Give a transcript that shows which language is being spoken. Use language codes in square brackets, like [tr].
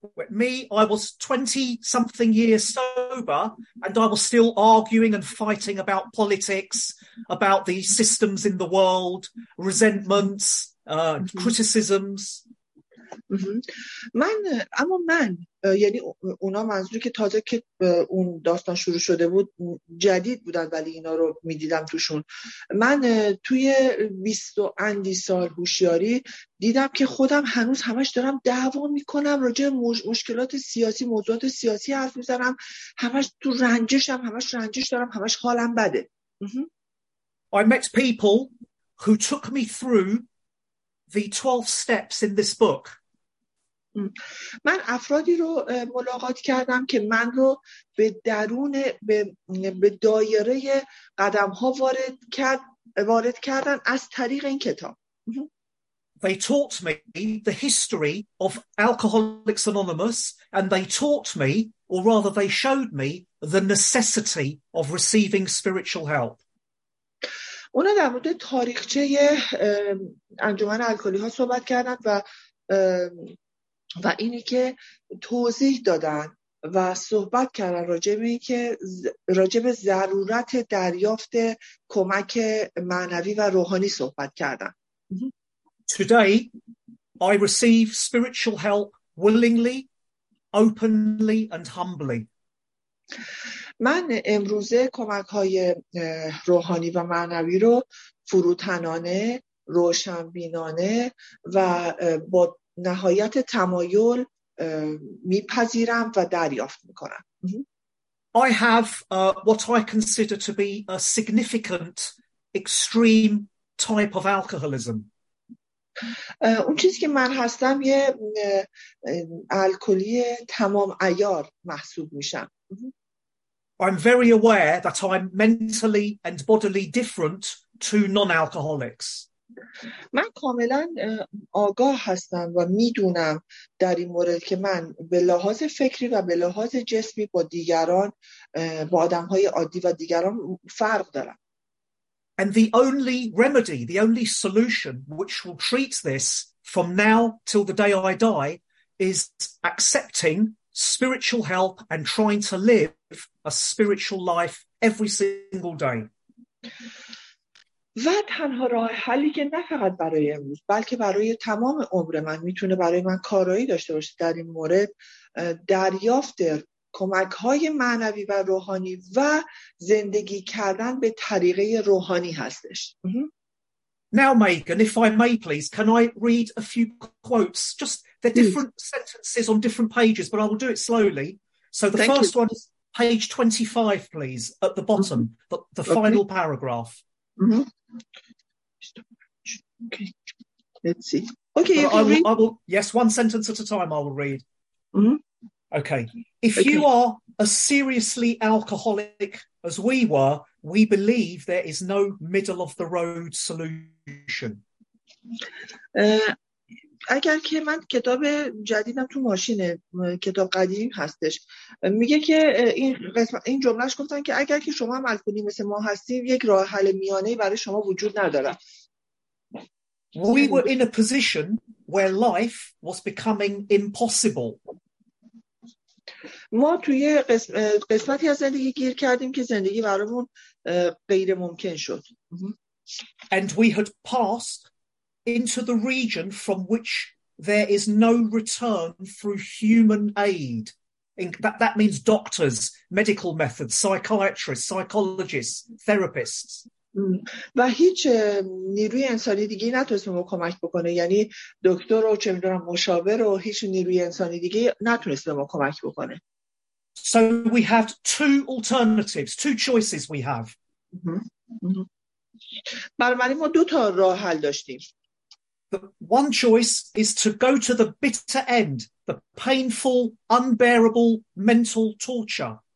[en] Me, I was 20 something years sober and I was still arguing and fighting about politics, about the systems in the world, resentments, criticisms. [fa] من یعنی اونا منظوری که تازه که اون داستان شروع شده بود جدید بودن ولی اینا رو می دیدم توشون. من توی 20 و اندی سال هوشیاری دیدم که خودم هنوز همش دارم دعوا می کنم راجع مشکلات سیاسی، موضوعات سیاسی حرف می زنم، همش تو رنجشم، همش رنجش دارم، همش حالم بده. [en] I met people who took me through the 12 steps in this book. [fa] من افرادی رو ملاقات کردم که من رو به درون به دایره قدم‌ها وارد کردن از طریق این کتاب. [en] They taught me the history of Alcoholics Anonymous and they taught me, or rather they showed me, the necessity of receiving spiritual help. [fa] اونا در مورد تاریخچه انجمن الکلی‌ها صحبت کردند و اینی که توضیح دادن و صحبت کردن راجب ضرورت دریافت کمک معنوی و روحانی صحبت کردن. [en] Today I receive spiritual help willingly, openly and humbly. [fa] من امروزه کمک‌های روحانی و معنوی رو فروتنانه، روشنبینانه و با نهایت تمایل میپذیرم و دریافت میکنم. [en] I have what I consider to be a significant extreme type of alcoholism. [fa] اون چیزی که من هستم یه الکلی تمام عیار محسوب میشم. [en] I'm very aware that I'm mentally and bodily different to non-alcoholics. [fa] من کاملا آگاه هستم و میدونم در این مورد که من به لحاظ فکری و به لحاظ جسمی با دیگران، با آدم‌های عادی و دیگران فرق دارم. [en] And the only remedy, the only solution which will treat this from now till the day I die is accepting spiritual help and trying to live a spiritual life every single day. [fa] و تنها راه حلی که نه فقط برای امروز بلکه برای تمام عمر من میتونه برای من کارایی داشته باشه در این مورد دریافت کمک های معنوی و روحانی و زندگی کردن به طریقه روحانی هستش. [en] Now Megan, if I may please, can I read a few quotes? Just the different sentences on different pages, but I will do it slowly. So the first one is page 25, please, at the bottom, the final paragraph. Okay. Let's see. Okay, you can read. I will. Yes, one sentence at a time. I will read. Mm-hmm. Okay. You are as seriously alcoholic as we were, we believe there is no middle of the road solution. [fa] اگر که من کتاب جدیدم تو ماشینه، کتاب قدیم هستش، میگه که این قسمت این جملهش گفتن که اگر که شما هم الکلی مثل ما هستیم، یک راه حل میانه برای شما وجود نداره. [en] We were in a position where life was becoming impossible. [fa] ما توی قسمتی از زندگی گیر کردیم که زندگی برامون غیر ممکن شد. [en] And we had passed into the region from which there is no return through human aid. That means doctors, medical methods, psychiatrists, psychologists, therapists. [fa] و هیچ نیروی انسانی دیگه نتونست ما کمک بکنه، یعنی دکتر و چه میدونم مشاور و هیچ نیروی انسانی دیگه نتونست ما کمک بکنه. [en] So we have two alternatives, two choices we have. [fa] بنابراین ما دو تا راه حل داشتیم. [en] The one choice is to go to the bitter end, the painful, unbearable mental torture.